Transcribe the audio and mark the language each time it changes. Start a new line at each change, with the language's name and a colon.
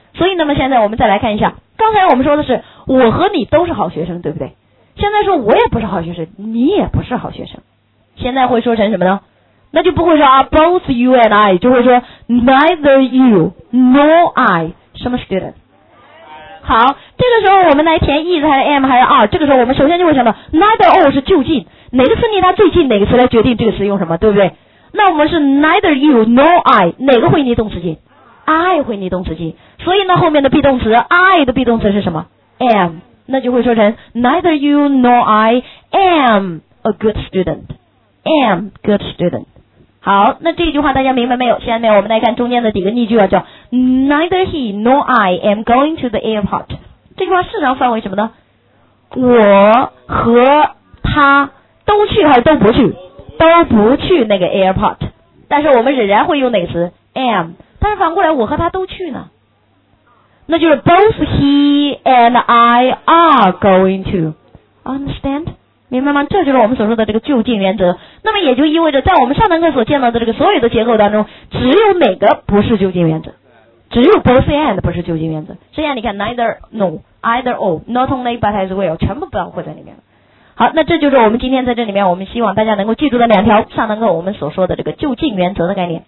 Chinese: 所以那么现在我们再来看一下，刚才我们说的是我和你都是好学生，对不对？现在说我也不是好学生，你也不是好学生，现在会说成什么呢？那就不会说啊 both you and I，就会说 neither you nor I 什么 student。好，这个时候我们来填 is 还是 am 还是 are， 这个时候我们首先就会想到 neither or 是就近，哪个词离它最近，哪个词来决定这个词用什么，对不对？那我们是 neither you nor I，哪个会离动词近？ I 会拟动词近，所以呢后面的 be 动词 I 的 be 动词是什么？
English: am，那就会说成 neither you nor I am a good student， am good student。
Chinese: 好，那这句话大家明白没有？下面我们来看中间的几个例句啊，叫 neither he nor I am going to the airport，这句话市场范围什么呢？我和他都去还是都不去？都不去那个 airport， 但是我们仍然会用哪个词？am。但是反过来我和他都去呢，那就是 both he and I are going to， understand，明白吗？这就是我们所说的这个就近原则。那么也就意味着在我们上堂课所见到的这个所有的结构当中，只有哪个不是就近原则？只有 both and 不是就近原则，剩下你看 neither no either or not only but as well 全部包括在里面。好，那这就是我们今天在这里面我们希望大家能够记住的两条上堂课我们所说的这个就近原则的概念。